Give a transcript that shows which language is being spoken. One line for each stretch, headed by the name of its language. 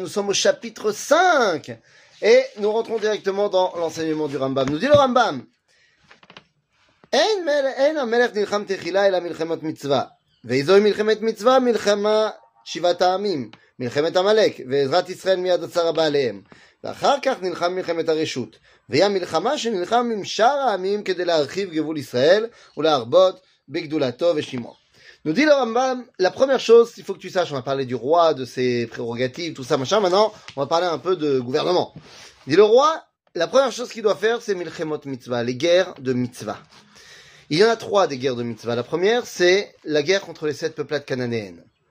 French: Nous sommes au chapitre 5 et nous rentrons directement dans l'enseignement du Rambam. Nous dit le Rambam,
Hebrew: « En un melech nilcham techila et la milchemot mitzvah » ואיזוהי מלחמת מצווה, מלחמה שבעת העמים, מלחמת עמלק, ועזרת ישראל מיד הצרה בעליהם. ואחר כך נלחם מלחמת הרשות, והיא המלחמה שנלחם עם שאר העמים כדי להרחיב גבול ישראל ולהרבות בגדולתו ושמו.
French: Nous dit le Rambam, la première chose, il faut que tu saches, on va parler du roi, de ses prérogatives, tout ça, machin, maintenant, on va parler un peu de gouvernement. Dit le roi, la première chose qu'il doit faire, c'est milchemot mitzvah, les guerres de mitzvah. Il y en a trois des guerres de mitzvah. La première, c'est la guerre contre les sept peuplades cananéennes.